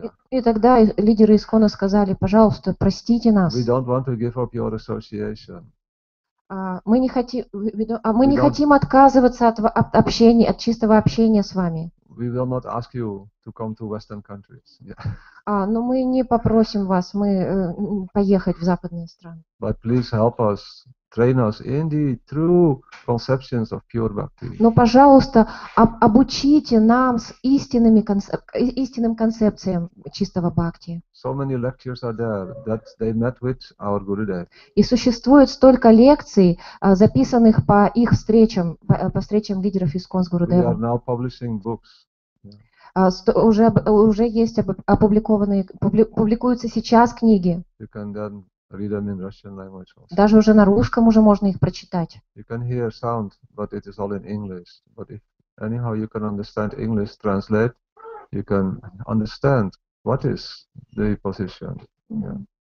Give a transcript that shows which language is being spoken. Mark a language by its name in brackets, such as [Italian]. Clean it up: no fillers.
[Russian] И тогда лидеры ИСКОНа сказали, пожалуйста, простите нас. [English] We don't want to give up your association. [Russian] Мы не хотим отказываться от общения, от чистого общения с вами. [English] We will not ask you to come to Western countries. [Russian] Но мы не попросим вас, мы поехать в западные страны. [English] But please help us. Train us in the true conceptions of pure bhakti. [Russian] Но, пожалуйста, обучите нам с истинным концепциям чистого бхакти. [English] So many lectures are there that they met with our Gurudev. [Russian] И существует столько лекций, записанных по их встречам, по встречам лидеров ИСКОН с Гурудевом. [English] We are now publishing books. [Russian] Уже есть опубликованные, публикуются сейчас книги. [English] You can then read them in Russian language also. [Russian] Даже уже на русском уже можно их прочитать. [English] You can hear sound, but it is all in English. But if anyhow you can understand English translate, you can understand what is the position. Yeah.